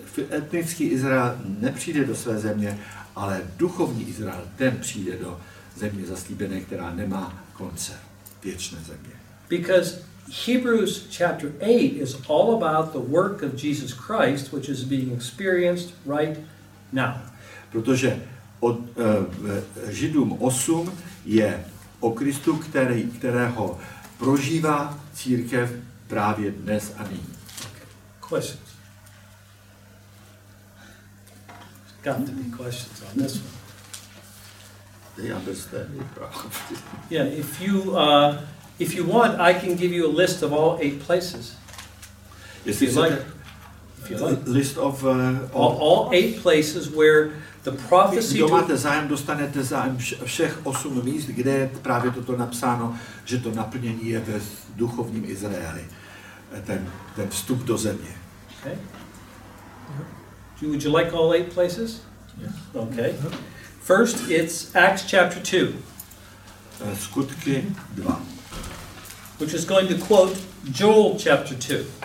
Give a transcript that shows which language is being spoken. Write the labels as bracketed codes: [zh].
[cs] etnický Izrael nepřijde do své země, ale duchovní Izrael, ten přijde do země zaslíbené, která nemá konce, věčné země. [en] Because Hebrews chapter 8 is all about the work of Jesus Christ, which is being experienced right now. [cs] Protože od Židům 8 je o Kristu, kterého prožívá církev právě dnes a nyní. [en] Questions. Got to be questions on this one. They understand me properly. Yeah, if you want, I can give you a list of all 8 places. Yes, if you like. If you like. List of all 8 places where the prophecy. [cs] Kdo máte zájem, dostanete zájem všech 8 míst, kde je právě toto napsáno, že to naplnění je ve duchovním Izraeli, ten vstup do země. [en] Okay. Would you like all 8 places? Yes. Okay. First, it's Acts chapter 2. [cs] Skutky 2. [en] Which is going to quote Joel chapter 2.